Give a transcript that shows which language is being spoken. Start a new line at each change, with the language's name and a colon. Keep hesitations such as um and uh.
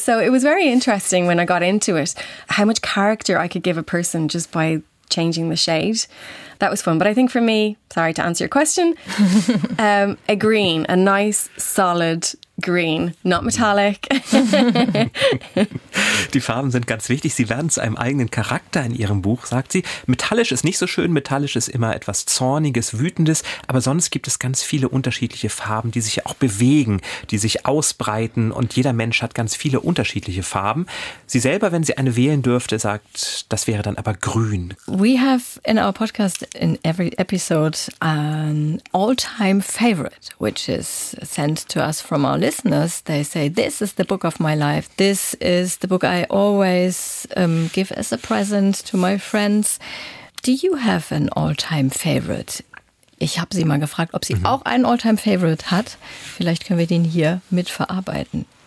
English: So it was very interesting when I got into it how much character I could give a person just by changing the shade. That was fun. But I think for me, sorry to answer your question, um, a green, a nice, solid green, not metallic.
German: Die Farben sind ganz wichtig. Sie werden zu einem eigenen Charakter in ihrem Buch, sagt sie. Metallisch ist nicht so schön. Metallisch ist immer etwas Zorniges, Wütendes. Aber sonst gibt es ganz viele unterschiedliche Farben, die sich auch bewegen, die sich ausbreiten. Und jeder Mensch hat ganz viele unterschiedliche Farben. Sie selber, wenn sie eine wählen dürfte, sagt, das wäre dann aber grün.
English: We have in our podcast, in every episode, an all time favorite, which is sent to us from our listeners. They say, This is the book of my life. This is the book I always um, give as a present to my friends. Do you have an all time favorite?
German: Ich habe sie mal gefragt, ob sie auch einen all time favorite hat. Vielleicht können wir den hier mit verarbeiten.